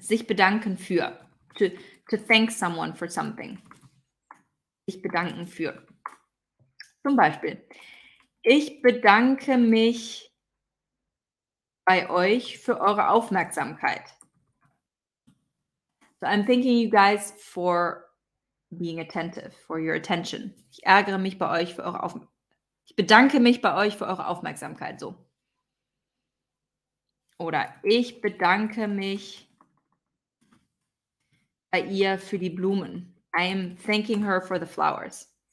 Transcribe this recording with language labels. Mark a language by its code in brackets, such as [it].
[en] Sich bedanken für. To thank someone for something. [de] Sich bedanken für. Zum Beispiel. Ich bedanke mich bei euch für eure Aufmerksamkeit. [en] So I'm thanking you guys for being attentive, for your attention. [de] Ich ärgere mich bei euch für eure Aufmerksamkeit. Ich bedanke mich bei euch für eure Aufmerksamkeit. So. Oder ich bedanke mich bei ihr für die Blumen. [en] I'm thanking her for the flowers.